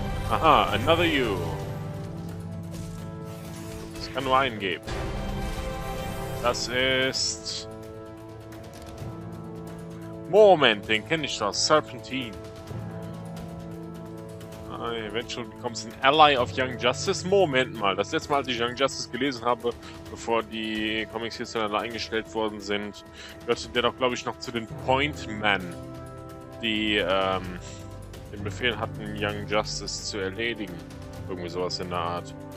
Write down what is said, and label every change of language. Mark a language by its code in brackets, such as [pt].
[en] Aha, another you. [de] Es kann nur einen geben. Das ist... Moment, den kenne ich doch. Serpentine. [en] Eventuell becomes an ally of Young Justice. [de] Moment mal, das letzte Mal, als ich Young Justice gelesen habe, bevor die Comics hier zueinander eingestellt worden sind, gehörte der doch, glaube ich, noch zu den Point Men, die den Befehl hatten, Young Justice zu erledigen. Irgendwie sowas in der Art.